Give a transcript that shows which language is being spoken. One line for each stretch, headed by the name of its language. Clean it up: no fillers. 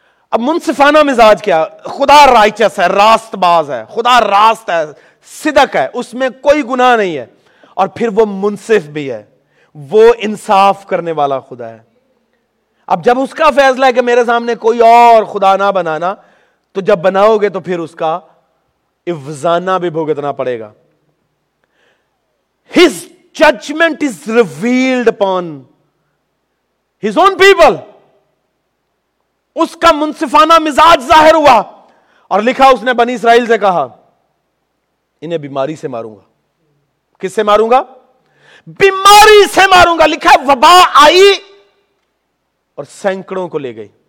Urdu: اب منصفانہ مزاج کیا؟ خدا رائچس ہے، راست باز ہے، خدا راست ہے، صدق ہے، اس میں کوئی گناہ نہیں ہے، اور پھر وہ منصف بھی ہے، وہ انصاف کرنے والا خدا ہے. اب جب اس کا فیصلہ ہے کہ میرے سامنے کوئی اور خدا نہ بنانا، تو جب بناؤ گے تو پھر اس کا افزانہ بھی بھگتنا پڑے گا.
English: His judgment is revealed upon his own people.
Urdu: اس کا منصفانہ مزاج ظاہر ہوا، اور لکھا اس نے بنی اسرائیل سے کہا انہیں بیماری سے ماروں گا. کس سے ماروں گا؟ بیماری سے ماروں گا. لکھا وبا آئی اور سینکڑوں کو لے گئی.